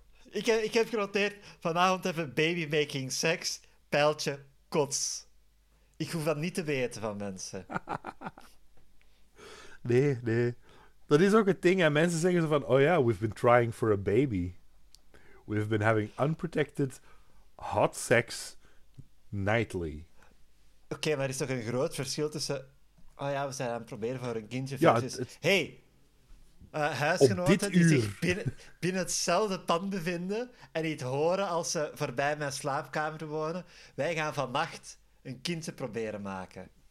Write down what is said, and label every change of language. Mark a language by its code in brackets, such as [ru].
[nl] Ik heb genoteerd, vanavond even babymaking seks, pijltje, kots. Ik hoef dat niet te weten van mensen. Nee. Dat is ook een ding, en mensen zeggen zo van, oh ja, [en] we've been trying for a baby. We've been having unprotected hot sex nightly. [nl] Oké, maar er is toch een groot verschil tussen, oh ja, we zijn aan het proberen voor een kindje versus, hey, huisgenoten die zich binnen hetzelfde pand bevinden en niet horen als ze voorbij mijn slaapkamer wonen. Wij gaan vannacht een kindje proberen maken.